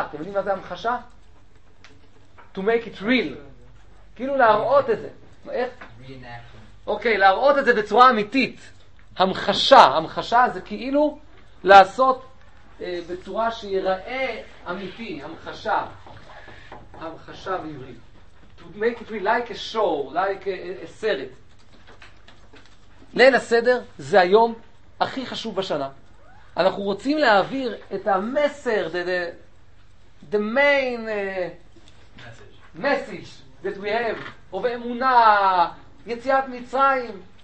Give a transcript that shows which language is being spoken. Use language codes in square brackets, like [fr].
[he] אתם יודעים מה זה המחשה? [en] To make it real. [he] כאילו להראות את זה. איך? אוקיי, להראות את זה בצורה אמיתית. המחשה. המחשה זה כאילו לעשות בצורה שיראה אמיתי. המחשה. המחשה בעברית. [en] To make it real, like a show, like a סרט. [he] ליל הסדר זה היום הכי חשוב בשנה. אנחנו רוצים להעביר את המסר, [en] the main... message that we have, [he] או באמונה, יציאת מצרים.